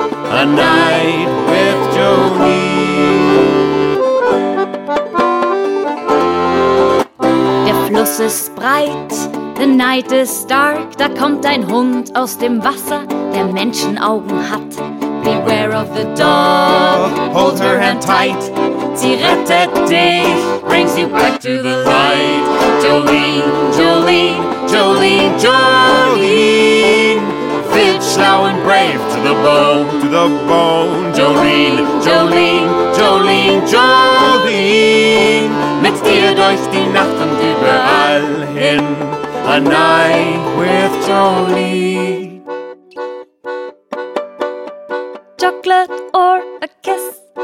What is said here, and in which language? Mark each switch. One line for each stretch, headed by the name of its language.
English: A night with Jolene.
German: Der Fluss ist breit,
English: the night is dark,
German: da kommt ein Hund aus dem Wasser, der Menschenaugen hat.
English: Beware of the dog, hold her hand tight.
German: Sie rettet dich,
English: brings you back to the light. Jolene, Jolene, Jolene, Jolene, fit, schlau and brave to the bone, to the bone.
German: Jolene, Jolene, Jolene, Jolene, mit dir durch die Nacht und überall hin.
English: A night with Jolene. Chocolate or a kiss,